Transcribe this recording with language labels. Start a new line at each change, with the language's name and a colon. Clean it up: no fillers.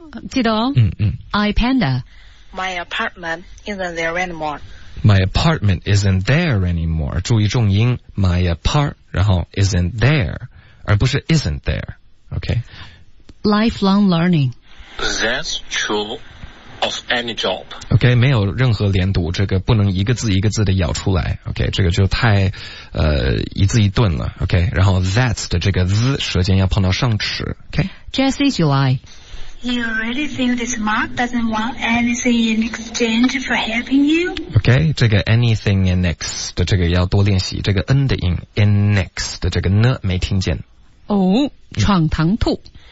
Chinese: 记得哦iPanda
English: My apartment isn't there anymore My apartment isn't there anymore
Chinese: 注意重音
English: My apart 然后 isn't there
Chinese: 而不是
English: isn't there OK Lifelong learning That's true of any job.
Chinese: OK, 没有任何连读，这个不能一个字一个字的咬出来。 OK, 这个就太一字一顿了。 OK, 然后 that 的这个 z, 舌尖要碰到上齿。OK?
English: Jesse July. You really think this Mark doesn't want anything in exchange for helping you?
Chinese: OK, 这个 anything in X 的这个要多练习，这个 N 的音 in X 的这个 N 没听见。哦，闯堂兔。